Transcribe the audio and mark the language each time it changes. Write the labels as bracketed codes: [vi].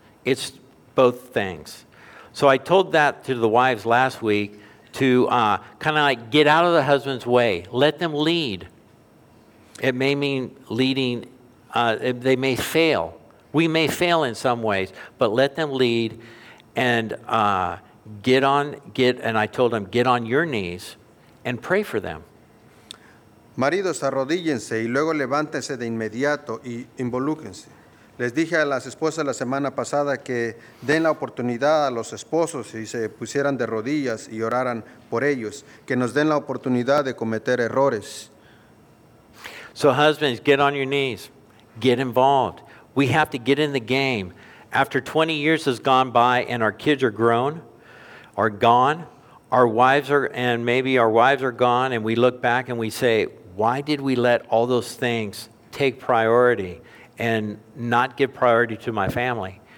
[en] It's both things. So I told that to the wives last week to kind of like get out of the husband's way. Let them lead. It may mean leading, they may fail. We may fail in some ways, but let them lead and get on your knees and pray for them. [es] Maridos, arrodíllense y luego levántense de inmediato y involúquense. Les dije a las esposas la semana pasada que den la oportunidad a los esposos y se pusieran de rodillas y oraran por ellos, que nos den la oportunidad de cometer errores. [en] So husbands, get on your knees, get involved. We have to get in the game. After 20 years has gone by and our kids are grown or gone, Our wives are, and maybe our wives are gone, and we look back and we say, why did we let all those things take priority and not give priority to my family?